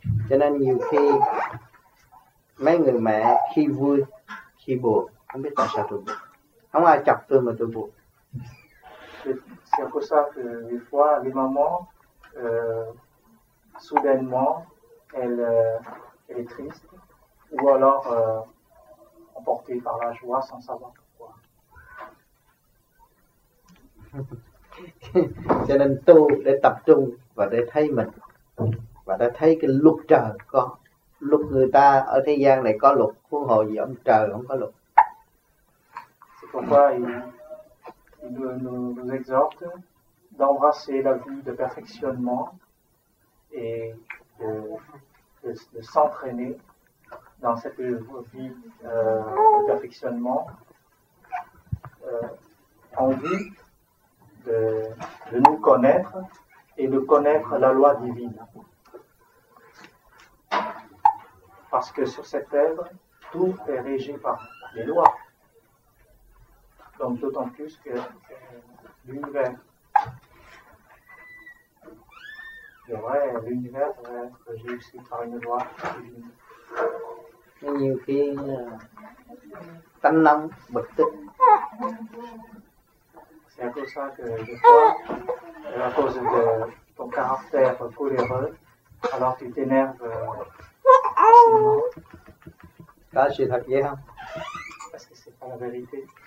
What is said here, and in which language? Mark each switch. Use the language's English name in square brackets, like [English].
[Vietnamese] cho nên nhiều khi mấy người mẹ khi vui khi buồn không biết tại sao tôi buồn, không ai chọc tôi mà tôi buồn. [French] C'est pour ça que des fois les mamans soudainement elle est triste ou alors emportée par la joie sans savoir pourquoi. [Vietnamese] Cho nên tu để tập trung và để thấy mình và để thấy cái luật trời có luật, người ta ở thế gian này có luật huống hồ gì ông trời không có luật. [French] C'est pourquoi il nous exhorte d'embrasser la vie de perfectionnement et de s'entraîner dans cette vie de perfectionnement en vue de nous connaître et de connaître la loi divine. Parce que sur cette terre, tout est régi par les lois. Donc d'autant plus que l'univers devrait être régi aussi par une loi divine. [Vietnamese] Nhiều khi tánh năng bực tức. [French] C'est à cause ça que de toi, à cause de ton caractère coléreux, alors tu t'énerves. Là, je suis bien. Parce que c'est pas la vérité.